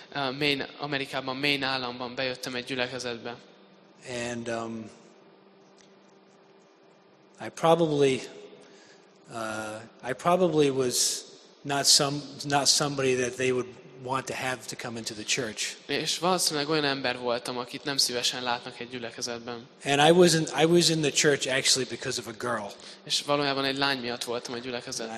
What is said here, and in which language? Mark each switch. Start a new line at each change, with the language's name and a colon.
Hungarian: Maine, Amerikában, Maine államban bejöttem egy gyülekezetbe.
English: And I probably was not somebody that they would want to have to come into the church.
Hungarian: És valószínűleg olyan ember voltam, akit nem szívesen látnak egy gyülekezetben.
English: And I was in the church actually because of a girl.
Hungarian: És valójában egy lány miatt voltam a gyülekezetben.